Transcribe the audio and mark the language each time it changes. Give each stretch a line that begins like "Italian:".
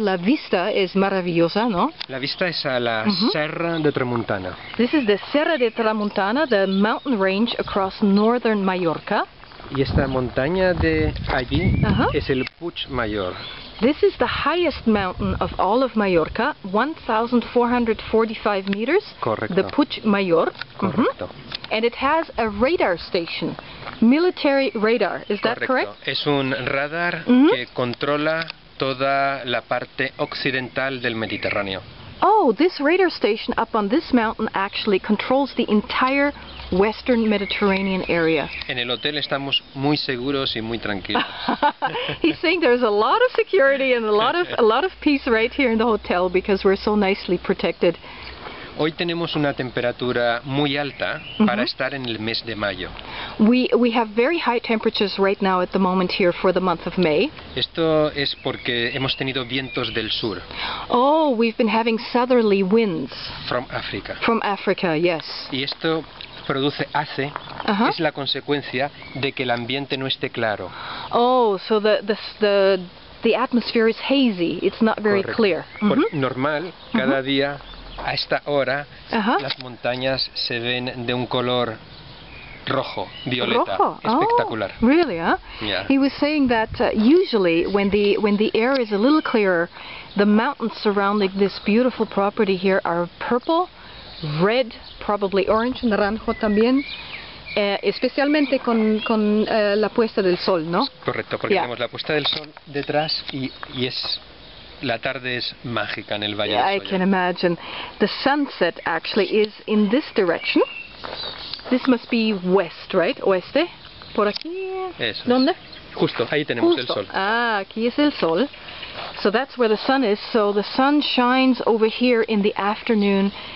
Spanish: La vista es maravillosa, ¿no? La vista es a la mm-hmm. Serra de Tramuntana.
English: This is the Serra de Tramuntana, the mountain range across northern Mallorca.
Spanish: Y esta montaña de allí uh-huh. es el Puig Mayor.
English: This is the highest mountain of all of Mallorca, 1,445 meters.
Spanish: Correcto.
English: The Puig Mayor.
Spanish: Correcto. Mm-hmm.
English: And it has a radar station, military radar. Is that correct?
Spanish: Correcto. Es un radar mm-hmm. que controla toda la parte occidental del Mediterráneo.
English: Oh, this radar station up on this mountain actually controls the entire western Mediterranean area.
Spanish: En el hotel estamos muy seguros y muy tranquilos.
English: He's saying there's a lot of security and a lot of peace right here in the hotel because we're so nicely protected.
Spanish: Hoy tenemos una temperatura muy alta para mm-hmm. estar en el mes de mayo.
English: We have very high temperatures right now at the moment here for the month of May.
Spanish: Esto es porque hemos tenido vientos del sur.
English: Oh, we've been having southerly winds. From Africa. From Africa, yes.
Spanish: Y esto produce hace uh-huh. es la consecuencia de que el ambiente no esté claro.
English: Oh, so the atmosphere is hazy. It's not very
Spanish: Correcto.
English: Clear.
Spanish: Mm-hmm. Por normal, cada mm-hmm. día a esta hora, uh-huh. las montañas se ven de un color rojo, violeta, rojo. Espectacular.
English: Oh, really, huh? Yeah. He was saying that usually when the air is a little clearer, the mountains surrounding this beautiful property here are purple, red, probably orange,
Spanish: naranjo también. Especialmente con la puesta del sol, ¿no? Correcto, porque tenemos la puesta del sol detrás y es la tarde es mágica en el Valle del Soya.
English: I can imagine. The sunset actually is in this direction. This must be west, right?
Spanish: Oeste. Por aquí. Eso. ¿Dónde? Justo, ahí tenemos justo. El sol. Ah, aquí es el sol.
English: So that's where the sun is. So the sun shines over here in the afternoon.